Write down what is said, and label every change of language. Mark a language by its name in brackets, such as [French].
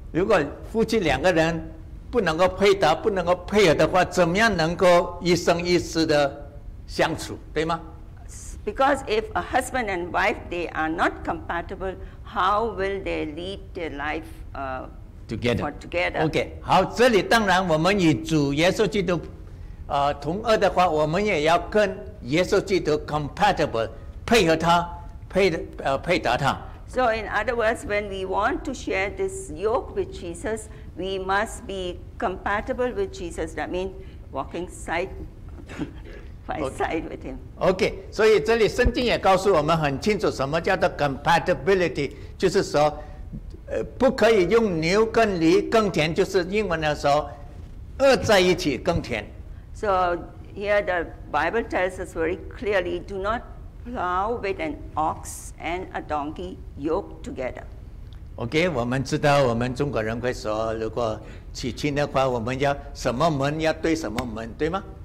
[Chinese] 如果夫妻两个人 不能够配搭，不能够配合的话，怎么样能够一生一世的相处，对吗？ [English] Because if a husband and wife they are not compatible, how will they lead their life together? Okay, [Chinese] 好，这里当然我们与主耶稣基督同轭的话，我们也要跟耶稣基督 compatible， 配合他，配搭他。 [English] So in other words, when we want to share this yoke with Jesus, we must be compatible with Jesus. That means walking side by side with Him. [Chinese] Okay, 所以这里圣经也告诉我们很清楚什么叫做 compatibility， 就是说，不可以用牛跟驴耕田，就是英文来说，轭在一起耕田。 [English] So here the Bible tells us very clearly, do not plow with an ox and a donkey yoked together. [Chinese] OK， 我们知道我们中国人会说，如果娶亲的话，我们要什么门要对什么门，对吗？